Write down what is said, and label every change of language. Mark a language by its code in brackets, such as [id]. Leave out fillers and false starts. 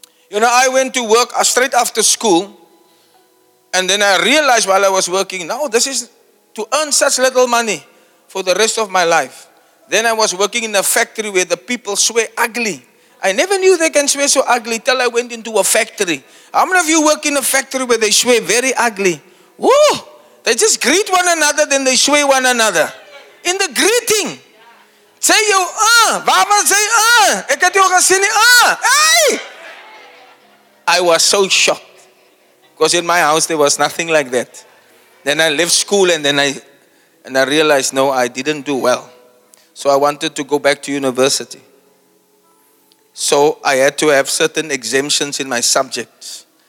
[en] You know, I went to work straight after school. And then I realized while I was working, no, this is to earn such little money for the rest of my life. Then I was working in a factory where the people swear ugly. I never knew they can swear so ugly till I went into a factory. How many of you work in a factory where they swear very ugly? Woo! They just greet one another, then they swear one another. In the greeting. Say you, Baba say, [af] Ek het jou gesien, [en] Hey! I was so shocked. Because in my house there was nothing like that. Then I left school and then I realized, no, I didn't do well. So I wanted to go back to university. So I had to have certain exemptions in my subjects.